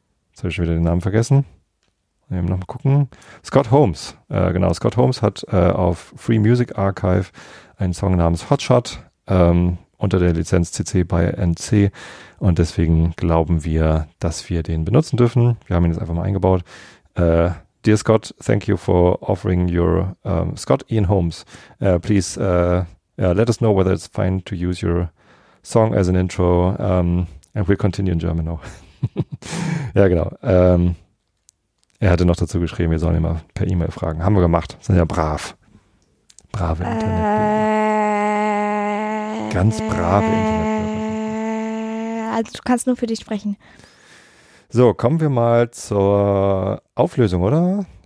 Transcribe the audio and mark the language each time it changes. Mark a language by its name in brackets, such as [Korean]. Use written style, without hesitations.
[German] Jetzt habe ich schon wieder den Namen vergessen. Noch mal gucken. Scott Holmes. Genau, Scott Holmes hat auf Free Music Archive einen Song namens Hotshot unter der Lizenz CC BY NC und deswegen glauben wir, dass wir den benutzen dürfen. Wir haben ihn jetzt einfach mal eingebaut. [English] Dear Scott, thank you for offering your Scott Ian Holmes. Please let us know whether it's fine to use your song as an intro and we'll continue in German now. [German] Ja, genau. Er hatte noch dazu geschrieben, wir sollen ihn mal per E-Mail fragen. Haben wir gemacht. Sind ja brav. Brave Internetbürger. Ganz brave Internetbürger. Also du kannst nur für dich sprechen. So, kommen wir mal zur Auflösung, oder?